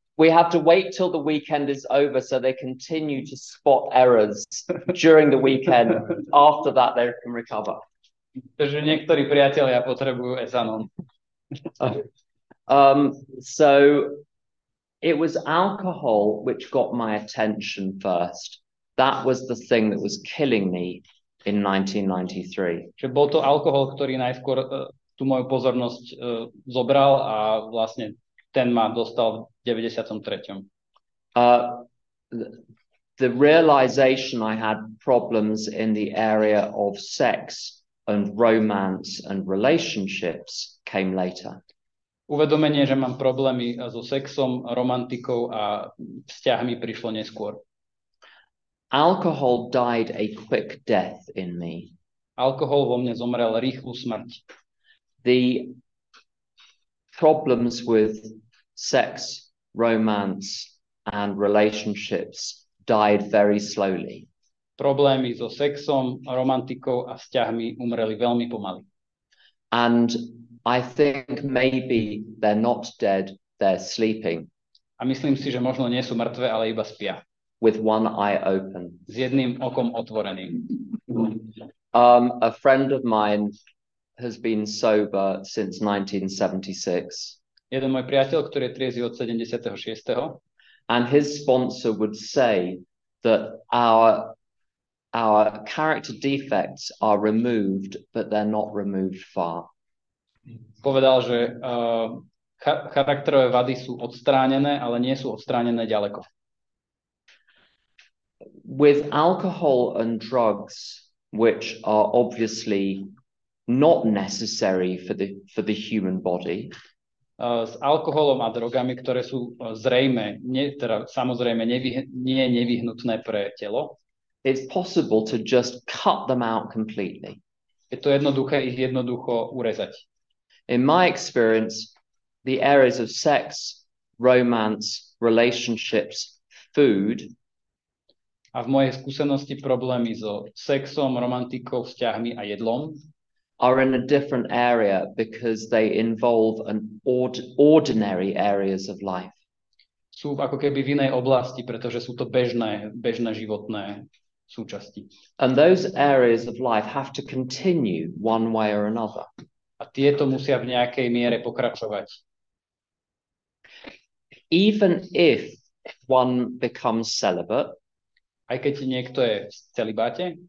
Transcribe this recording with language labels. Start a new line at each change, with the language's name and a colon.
English: We have to wait till the weekend is over so they continue to spot errors during the weekend. After that, they can recover.
Slovak: Takže niektorí priatelia potrebujú Essanon.
English: So it was alcohol which got my attention first. That was the thing that was killing me. In 1993.
Slovak: Čiže bol to alkohol, ktorý najskôr tú moju pozornosť zobral a vlastne ten ma dostal v 93.
English: The realization I had problems in the area of sex and romance and relationships came later.
Slovak: Uvedomenie, že mám problémy so sexom, romantikou a vzťahmi prišlo neskôr.
English: Alcohol died a quick death in me.
Slovak: alkohol vo mne zomrel rýchlu smrť.
English: The problems with sex, romance and relationships died very slowly.
Slovak: Problémy so sexom, romantikou a vzťahmi umreli veľmi pomaly.
English: And I think maybe they're not dead, they're sleeping.
Slovak: A myslím si, že možno nie sú mŕtve, ale iba spia.
English: With one eye open.
Slovak: S jedným okom otvoreným.
English: A friend of mine has been sober since 1976.
Slovak: Jeden môj priateľ, ktorý je triezvy od 76.
English: And his sponsor would say that our character defects are removed, but they're not removed far.
Slovak: Povedal, že charakterové vady sú odstránené, ale nie sú odstránené ďaleko.
English: With alcohol and drugs, which are obviously not necessary for the human body.
Slovak: S alkoholom a drogami, ktoré sú zrejme, nie nevyhnutné pre telo.
English: It's possible to just cut them out completely.
Slovak: Je to jednoduché ich jednoducho urezať.
English: In my experience, the areas of sex, romance, relationships, food.
Slovak: A v mojej skúsenosti problémy so sexom, romantikou, vzťahmi a jedlom.
English: Are in a different area because they involve an ordinary areas of life.
Slovak: Sú ako keby v inej oblasti, pretože sú to bežné životné súčasti.
English: And those areas of life have to continue one way or another.
Slovak: A tieto musia v nejakej miere pokračovať.
English: Even if one becomes celibate,
Slovak: aj keď niekto je v celibáte,